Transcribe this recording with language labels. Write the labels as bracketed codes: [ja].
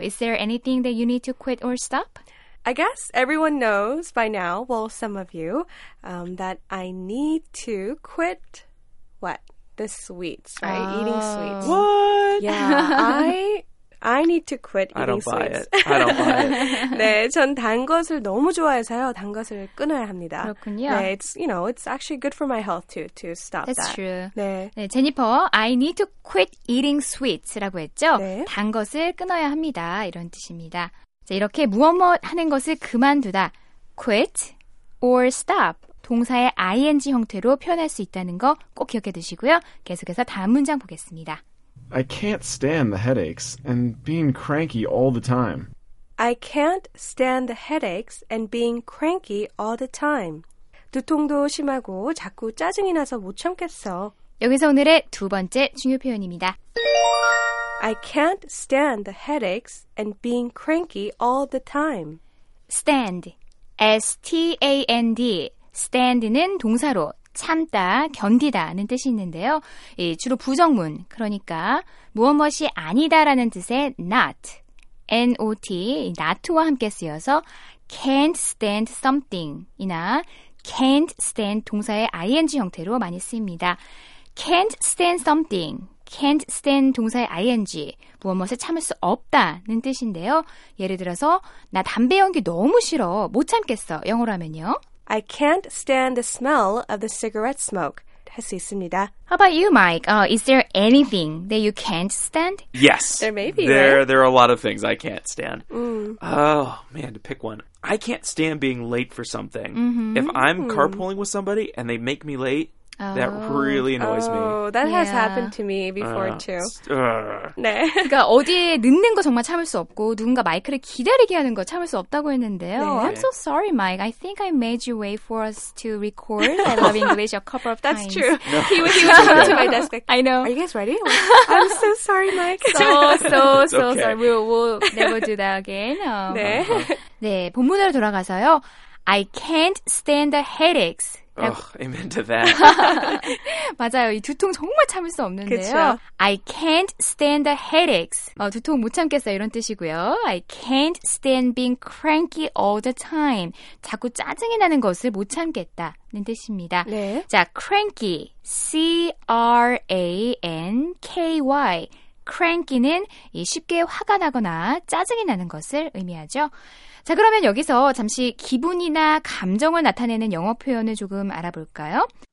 [en] Is there anything that you need to quit or stop? I guess everyone knows by now, well, some of you, that I need to quit what? The sweets, right? Oh. Eating sweets. What? Yeah, I need to quit eating sweets. I don't buy it. I don't buy it. [ko] 네, 전 단 것을 너무 좋아해서요. 단 것을 끊어야 합니다. 그렇군요. [en] 네, it's, you know, it's actually good for my health to stop That's that. That's true. [ko] 네. [en] 네, 제니퍼, I need to quit eating sweets [ko] 라고 했죠? 네. 단 것을 끊어야 합니다. 이런 뜻입니다. 자, 이렇게 무엇무엇 하는 것을 그만두다. [en] quit or stop. [ko] 동사의 ing 형태로 표현할 수 있다는 거 꼭 기억해 두시고요. 계속해서 다음 문장 보겠습니다. [en] I can't stand the headaches and being cranky all the time. I can't stand the headaches and being cranky all the time. [ko] 두통도 심하고 자꾸 짜증이 나서 못 참겠어. 여기서 오늘의 두 번째 중요 표현입니다. [en] I can't stand the headaches and being cranky all the time. [ko] Stand. S-T-A-N-D. Stand는 동사로 참다, 견디다는 뜻이 있는데요. 예, 주로 부정문, 그러니까 무엇무엇이 아니다라는 뜻의 not. N-O-T, not와 함께 쓰여서 can't stand something이나 can't stand 동사의 ing 형태로 많이 쓰입니다. Can't stand something, can't stand 동사의 ing, 무엇무엇을 참을 수 없다는 뜻인데요. 예를 들어서 나 담배 연기 너무 싫어, 못 참겠어, 영어로 하면요. [en] I can't stand the smell of the cigarette smoke. [ko] 할 수 있습니다. [en] How about you, Mike? Is there anything that you can't stand? Yes. There may be. There are a lot of things I can't stand. Mm. Oh, man, to pick one. I can't stand being late for something. Mm-hmm. If I'm carpooling with somebody and they make me late, that really annoys me. Oh, that has happened to me before, too. [ko] 네. 그러니까 어디에 늦는 거 정말 참을 수 없고 누군가 마이크를 기다리게 하는 거 참을 수 없다고 했는데요. 네. [en] I'm so sorry, Mike. I think I made you wait for us to record I Love English a couple of times. That's true. He was coming to my desk like, I know. Are you guys ready? I'm so sorry, Mike. So sorry. We'll never do that again. [ko] 네. Uh-huh. 네, 본문으로 돌아가서요. [en] I can't stand the headaches. Oh, amen to that. [ko] 맞아요. 이 두통 정말 참을 수 없는데요. 그쵸? [en] I can't stand the headaches. [ko] 두통 못 참겠어요. 이런 뜻이고요. [en] I can't stand being cranky all the time. [ko] 자꾸 짜증이 나는 것을 못 참겠다는 뜻입니다. 네. 자, cranky. C-R-A-N-K-Y. Cranky는 쉽게 화가 나거나 짜증이 나는 것을 의미하죠. 자, 그러면 여기서 잠시 기분이나 감정을 나타내는 영어 표현을 조금 알아볼까요?